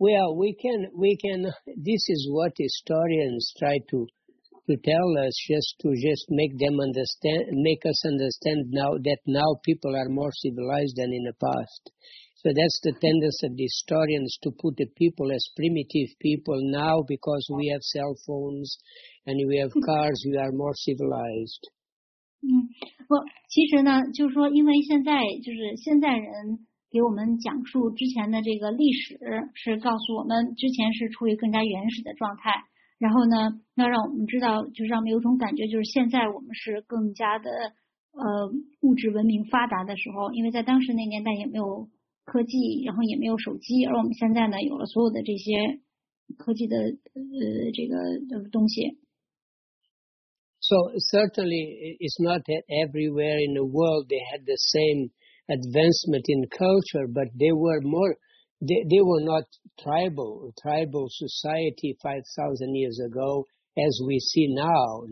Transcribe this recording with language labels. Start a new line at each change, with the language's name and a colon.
English: Well, we can, this is what historians try to tell us, just make them understand, make us understand now that now people are more civilized than in the past. So that's the tendency of the historians to put the people as primitive people now because we have cell phones and we have cars, we are more civilized.
Chinese: 给我们讲述之前的这个历史，是告诉我们之前是处于更加原始的状态。然后呢，那让我们知道，就是让我们有种感觉，就是现在我们是更加的物质文明发达的时候，因为在当时那年代也没有科技，然后也没有手机，而我们现在呢，有了所有的这些科技的这个东西。
English: So certainly, it's not that everywhere in the world they had the same. Advancement in culture, but they were more, they were not tribal society 5,000 years ago as we see now.